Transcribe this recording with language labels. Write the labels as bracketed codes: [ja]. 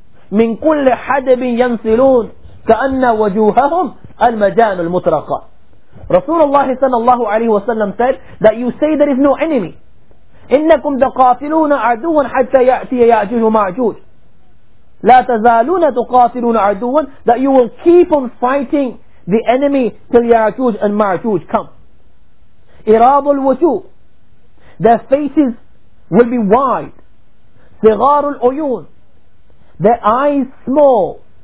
[ar] من كل حدب ينسلون كأن وجوههم المجان المطرقة. رسول الله صلى الله عليه وسلم [en] said that you say there is no enemy. [ar] إنكم تقاتلون عدوا حتى يأتي يأجوج ومأجوج. لا تزالون تقاتلون عدوا, [en] that you will keep on fighting the enemy till يأجوج and مأجوج come. [ar] إراب الوجوه, [en] their faces will be wide. [ar] صغار العيون, [en] their eyes small.